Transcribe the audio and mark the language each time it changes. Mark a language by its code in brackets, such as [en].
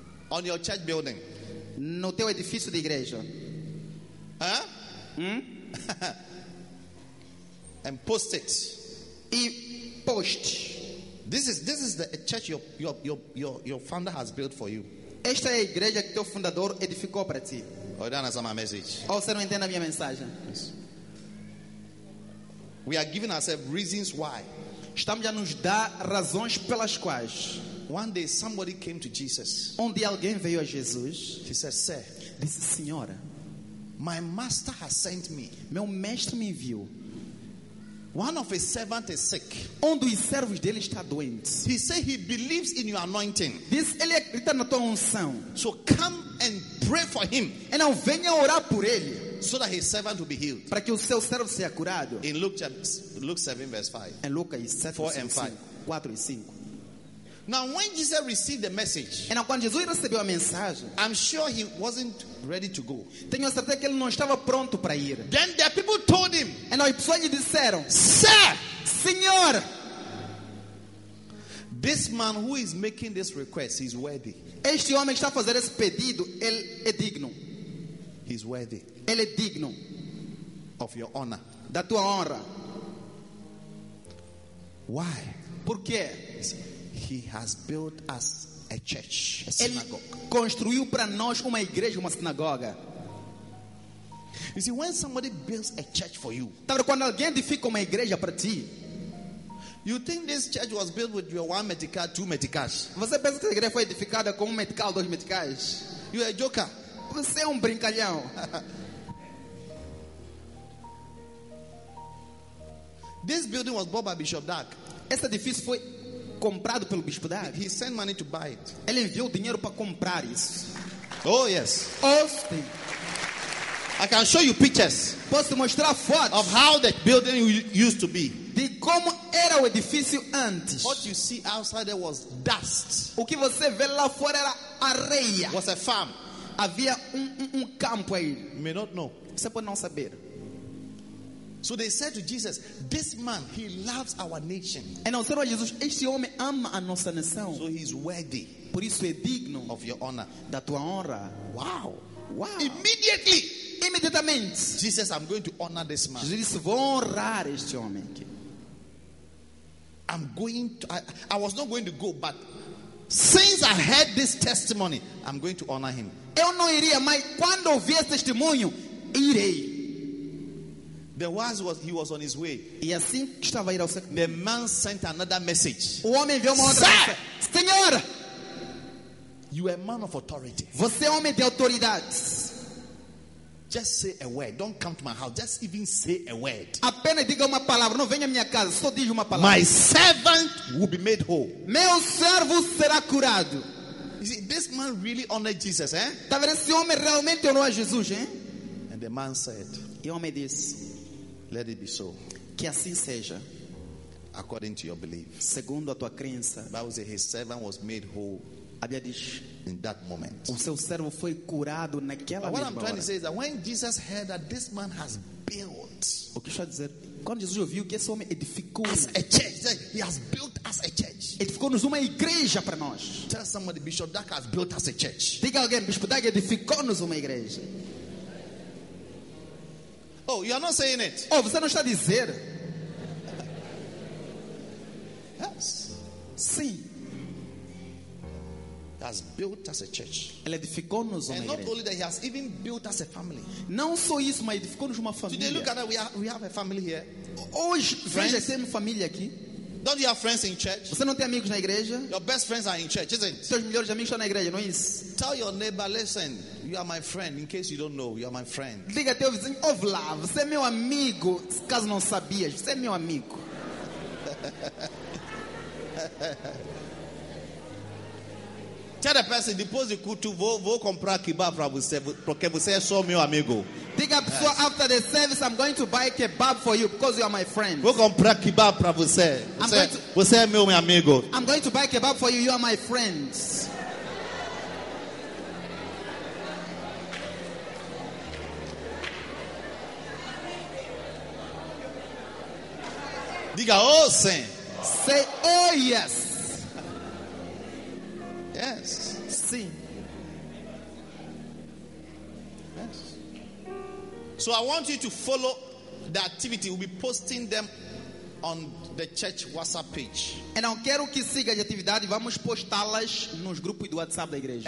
[en] On your church building. [pt] No teu edifício de igreja. Huh? Hmm? [en] And post it. [pt] E post. [en] This is the church your founder has built for you. [pt] Esta é a igreja que teu fundador edificou para ti. [en] Oh, that is my message. [pt] Ou você não entende a minha mensagem? [en] Yes. We are giving ourselves reasons why. [pt] Estamos a nos dar razões pelas quais. [en] One day somebody came to Jesus. [pt] Um dia alguém veio a Jesus. [en] He said, "Sir." [pt] Disse, "Senhora." [en] "My master has sent me." [pt] Meu mestre me enviou. [en] "One of his servants is sick." [pt] Um dos servos dele está doente. [en] He said he believes in your anointing. [pt] Diz, ele acredita na tua unção. [en] "So come and pray for him." [pt] Então venha orar por ele. [en] "So that his servant will be healed." [pt] Para que o seu servo seja curado. [en] In Luke 7 verse 5. [pt] Em Lucas 7 [en] 4 and 5. [pt] 4 e 5. [en] Now, when Jesus received the message, [pt] então, quando Jesus recebeu a mensagem, [en] I'm sure he wasn't ready to go. [pt] Tenho certeza que ele não estava pronto para ir. [en] Then the people told him, [pt] então, as pessoas lhe disseram, [en] "Sir, [pt] Senhor, [en] this man who is making this request is worthy." [pt] Este homem que está fazendo esse pedido, ele é digno. [en] He's worthy. [pt] Ele é digno [en] of your honor. [pt] Da tua honra. [en] Why? [pt] Por quê? [en] He has built us a church, a [pt] Ele [en] synagogue. [pt] Construiu para nós uma igreja, uma sinagoga. [en] You see, when somebody builds a church for you, [pt] tá vendo? Quando alguém edifica uma igreja para ti, [en] you think this church was built with your 1 medical, 2 medicals. [pt] Você pensa que a igreja foi edificada com 1 medical, 2 medicals? [en] You are a joker. [pt] Você é brincalhão. [en] This building was bought by Bishop Dark. [pt] Esse edifício foi comprado pelo Bispo Dark. [en] He sent money to buy it. [pt] Ele enviou dinheiro para comprar isso. [en] Oh yes. Austin. I can show you pictures. [pt] Posso mostrar fotos [en] of how the building used to be. [pt] De como era o edifício antes. [en] What you see outside there was dust. [pt] O que você vê lá fora era areia. [en] Was a farm. [pt] Havia um campo aí. [en] You may not know. [pt] Você pode não saber. [en] So they said to Jesus, "This man, he loves our nation." [pt] E não disseram a Jesus, este homem ama a nossa nação. [en] So he's worthy. [pt] Por isso é digno [en] of your honor. [pt] Da tua honra. [en] Wow. Wow. Immediately, Jesus, I'm going to honor this man. [pt] Jesus, vou honrar este homem. [en] I'm going to. I was not going to go, but since I heard this testimony, I'm going to honor him. [pt] Eu não iria, mas quando ouvi este testemunho, irei. [en] The words was he was on his way. [pt] E assim estava a ir ao seu. [en] The man sent another message. [pt] O homem enviou uma outra mensagem. Senhor, [en] you are a man of authority. [pt] Você é homem de autoridade. [en] Just say a word. Don't come to my house. Just even say a word. [pt] Apenas diga uma palavra. Não venha à minha casa. Só diga uma palavra. [en] My servant will be made whole. [pt] Meu servo será curado. [en] You see, this man really honored Jesus, eh? [pt] Tá vendo? Esse homem realmente honrou a Jesus, hein? [en] And the man said, [pt] e o homem disse, [en] let it be so. [pt] Que assim seja. [en] According to your belief. [pt] Segundo a tua crença. [en] The Bible says his servant was made whole. [pt] A Bíblia diz, [en] in that moment, [pt] o seu servo foi curado naquela mesma hora. [en] What I'm trying to say is that when Jesus heard that this man has built, [pt] o que eu quero dizer, quando Jesus ouviu que esse homem edificou, [en] as a church, he has built us a church. [pt] Edificou-nos uma igreja para nós. [en] Tell somebody, Bishop Dark has built us a church. [pt] Diga alguém, Bispo Dark edificou-nos uma igreja. [en] Oh, you are not saying it. [pt] Oh, você não está a dizer. [en] Yes. [pt] Sim. [en] Has built us a church. [pt] Ele edificou-nos uma igreja. [en] And not only that, he has even built us a family. [pt] Não só isso, mas edificou-nos uma família. [en] Today, look at that. We have a family here. [pt] Hoje, veja, temos família aqui. [en] Don't you have friends in church? [pt] Você não tem amigos na igreja? [en] Your best friends are in church, isn't it? [pt] Seus melhores amigos estão na igreja, não é isso? [en] Tell your neighbor, listen, you are my friend. In case you don't know, you are my friend. [pt] Diga teu vizinho, [en] of love, [pt] você é meu amigo. Caso não sabias, você é meu amigo. [en] Tell the person, [pt] depois de culto, vou comprar kebab para você, porque você é só meu amigo. Diga, [en] yes. So after the service, I'm going to buy kebab for you because you are my friend. [pt] Vou comprar kebab para você. Você é meu amigo. [en] I'm going to buy kebab for you. You are my friend. [pt] Diga, oh, sim. [en] Say, oh, yes. Yes. [pt] Sim. [en] Yes. So I want you to follow the activity. We'll be posting them on the church WhatsApp page. [pt] E não quero que siga a atividade. Vamos postá-las nos grupos do WhatsApp da igreja.